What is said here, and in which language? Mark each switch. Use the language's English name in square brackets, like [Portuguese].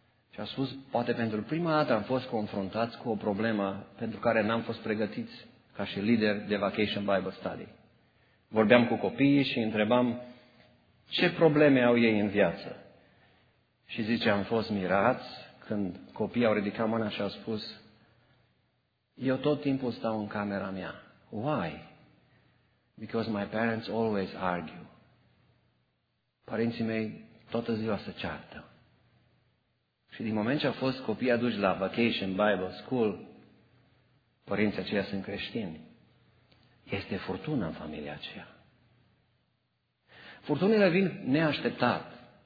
[Romanian] Și a spus, poate pentru prima dată am fost confruntați cu o problemă pentru care n-am fost pregătiți ca și lider de Vacation Bible Study. Vorbeam cu copiii și întrebam ce probleme au ei în viață. Și zice, am fost mirați când copiii au ridicat mâna și au spus, eu tot timpul stau în camera mea. [English] Why? Because my parents always argue. [Romanian] Părinții mei toată ziua se ceartă. Și din moment ce au fost copiii aduși la Vacation Bible School, părinții aceia sunt creștini. Este furtună în familia aceea. Furtunile vin neașteptat.